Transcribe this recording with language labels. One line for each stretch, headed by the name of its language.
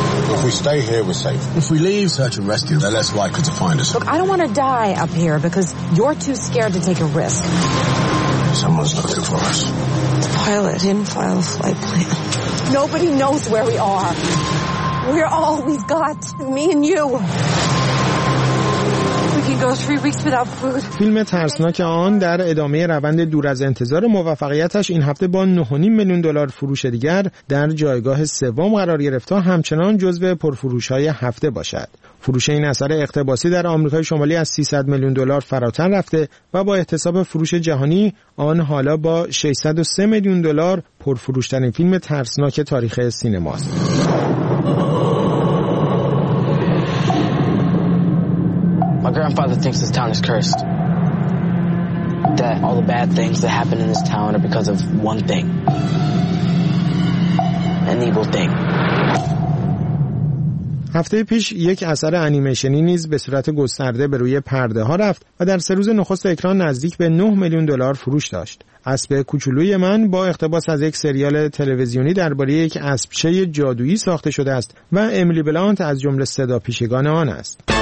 English: If we stay here, we're safe. If we leave, search and rescue, they're less likely to find us. Look, I don't want to die up here because you're too scared to take a risk. Someone's looking for us. The pilot didn't file a flight plan. Nobody knows where we are. We're all we've got, me and you.
Persian: فیلم ترسناک آن در ادامه روند دور از انتظار موفقیتش این هفته با 9.5 میلیون دلار فروش دیگر در جایگاه سوم قرار گرفت، همچنان جزو پرفروش‌های هفته باشد. فروش این اثر اقتباسی در آمریکای شمالی از 300 میلیون دلار فراتر رفته و با احتساب فروش جهانی آن حالا با 603 میلیون دلار پرفروش‌ترین فیلم ترسناک تاریخ سینماست.
English: My grandfather thinks this town is cursed. That all the bad things that happen in this town are because of one thing. An evil thing.
Persian: هفته پیش یک اثر انیمیشنی نیز به صورت گسترده به روی پرده ها رفت و در سه روز نخست اکران نزدیک به 9 میلیون دلار فروش داشت. اسب کوچولوی من با اقتباس از یک سریال تلویزیونی درباره یک اسبچه جادویی ساخته شده است و امیلی بلانت از جمله صدا پیشگان آن است.